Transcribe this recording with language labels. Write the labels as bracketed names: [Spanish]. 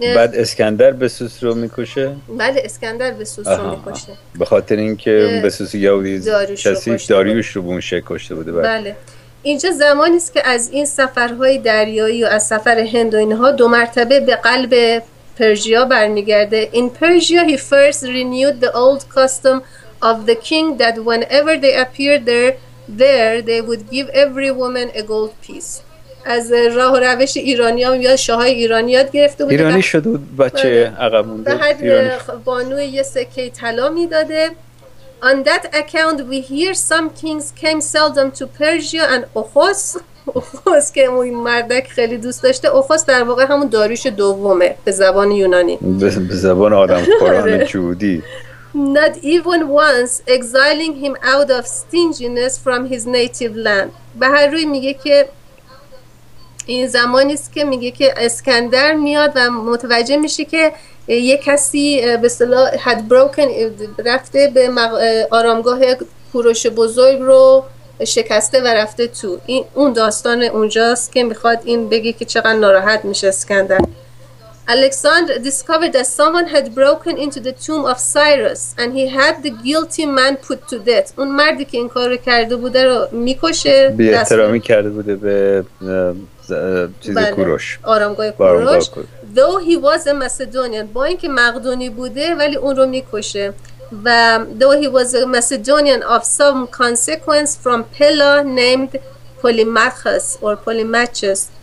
[Persian] بعد اسکندر بسوس رو میکشه. بله اسکندر بسوس رو میکشه به خاطر اینکه بسوس یهودی کثیف داریوش رو به اون شکل کشته بوده. بله اینجا زمانی است که از این سفرهای دریایی و از سفر هند و اینها دو مرتبه به قلب پرژیا برمیگرده. [English] In Persia he first renewed the old custom of the king that whenever they appeared there they would give every woman a gold piece. [Persian] از راه و روش ایرانی هم یا شاهای ایرانی یاد گرفته بوده. ایرانی شده بود بچه عقب مونده. به حد بانوی یه سکه طلا میداده. [English] On that account we hear some kings came seldom to Persia and Ochos [Persian] که اون مردک خیلی دوست داشته. Ochos در واقع همون داریوش دومه به زبان یونانی. به زبان آدم قرآن جودی. [English] Not even once exiling him out of stinginess from his native land. [Persian] به هر روی میگه که این زمانیست که میگه که اسکندر میاد و متوجه میشه که یه کسی به اصطلاح [English] had broken [Persian] رفته به آرامگاه کوروش بزرگ رو شکسته و رفته تو. این اون داستان اونجاست که میخواد این بگه که چقدر ناراحت میشه اسکندر. [English] Alexander discovered that someone had broken into the tomb of Cyrus and he had the guilty man put to death. [Persian] اون مردی که این کار رو کرده بوده رو میکشه. بی احترامی کرده بوده به چیزی کوروش. [English] آرامگاه کوروش. Though he was a Macedonian. [Persian] با اینکه مقدونی بوده ولی اون رو میکشه. [English] و though he was a Macedonian of some consequence from Pella named Polymachus or Polymachus.